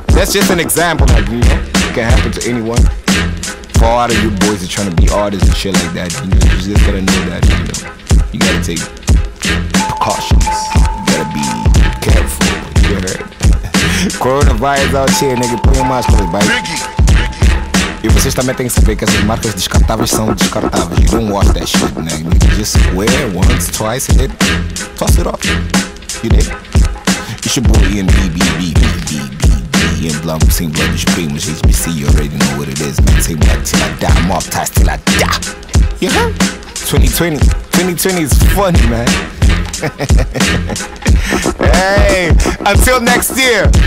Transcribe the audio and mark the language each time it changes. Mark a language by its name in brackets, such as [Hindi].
[English] That's just an example, like, you know, it can happen to anyone. For all of you boys are trying to be artists and shit like that, you know, you just gotta know that, you know, you gotta take precautions. You gotta be careful, you heard? Coronavirus out here, nigga, put your mask on, bye. [Portuguese] E vocês também têm que saber que essas marcas descartáveis são descartáveis. [English] You don't wash that shit, nigga. You just wear it once, twice, and then toss it off. You dig? It's your boy Ian B. Ian Blum, same blood as primos, HBC, you already know what it is, man. Same black till I die, I'm off ties till I die. You heard? 2020 is funny, man. Hey, until next year.